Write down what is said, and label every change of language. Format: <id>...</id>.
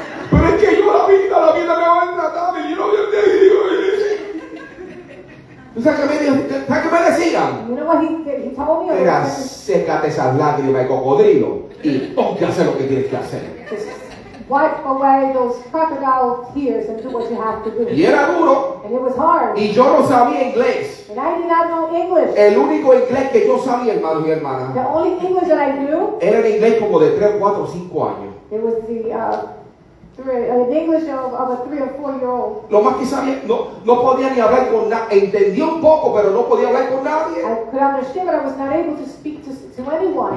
<es>Pero es que yo la vida me va a tratar y yo no voy a decir. ¿Tú sabes qué me decían?</es> <en>You know what he told me?</en> <es>Era, sécate esas lágrimas de cocodrilo y ponte a hacer lo que tienes que hacer.</es> <en>Just wipe away those crocodile tears and do what you have to do.</en> <es>Y era duro.</es> <en>And it was hard.</en> <es>Y yo no sabía inglés.</es> <en>And I did not know English.</en> <es>El único inglés que yo sabía, hermano y hermana.</es> <en>The only English that I knew.</en> <es>Era el inglés como de 3, 4, 5 años.</es> <en>It was the an English of a 3 or 4 year old.</en> <es>Lo más que sabía, no podía ni hablar con nadie. Entendía un poco, pero no podía hablar con nadie.</es> <en>I could understand, but I was not able to speak to anyone.</en>